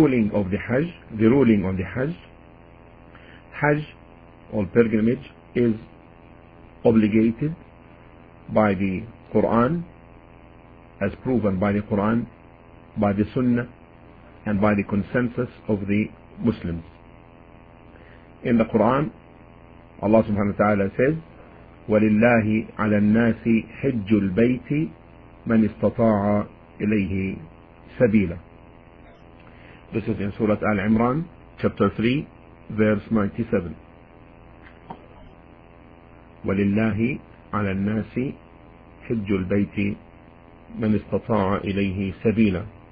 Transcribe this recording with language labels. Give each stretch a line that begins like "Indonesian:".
English: The ruling on the Hajj, Hajj or pilgrimage is obligated by the Quran, as proven by the Quran, by the Sunnah, and by the consensus of the Muslims. In the Quran, Allah subhanahu wa ta'ala says,
Arabic: وَلِلَّهِ عَلَى النَّاسِ حِجُّ الْبَيْتِ مَنْ اسْتَطَاعَ إِلَيْهِ سَبِيلًا.
English: This is in Surah Al-Imran, chapter 3, verse 97.
Arabic: وَلِلَّهِ عَلَى النَّاسِ حِجُّ الْبَيْتِ مَنْ اسْتَطَاعَ إِلَيْهِ سَبِيلًا.